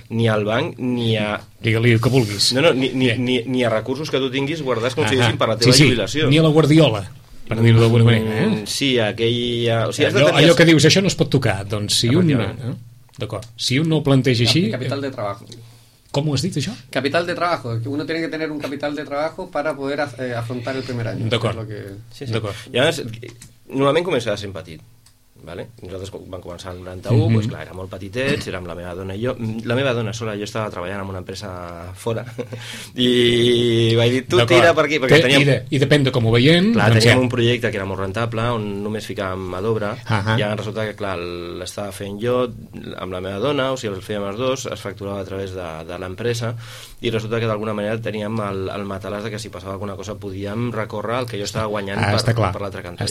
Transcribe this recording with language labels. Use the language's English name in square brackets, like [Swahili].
[Catalan] Perdona, ni al banc, ni a... Digue-li el que vulguis. No, ni a recursos que tu tinguis guardats com si diguéssim per la teva jubilació. Ni a la Guardiola, per dir-ho d'alguna manera. Sí, aquell... O sigui, allò que dius, això no es pot tocar. Doncs si un... D'acord. Si un no ho planteja així... [Spanish] Capital de trabajo. ¿Cómo has dicho eso? Capital de trabajo. Uno tiene que tener un capital de trabajo para poder afrontar el primer año. [Catalan] D'acord. I ara, normalment començaràs en petit. Vale? Nosaltres vam començar el 91, mm-hmm. [Spanish] Pues [Catalan] clar, era molt petitets, érem la meva dona i jo. La meva dona sola, jo estava treballant en una empresa fora i vaig dir, tu tira per aquí. Perquè I depèn de com ho veiem. Clar, doncs teníem un projecte que era molt rentable, on només ficàvem a l'obra, i resulta que clar, l'estava fent jo amb la meva dona, o sigui, el fèiem els dos, es facturava a través de l'empresa, i resulta que d'alguna manera teníem el matalàs de que si passava alguna cosa podíem recórrer el que jo estava guanyant per l'altre cantó.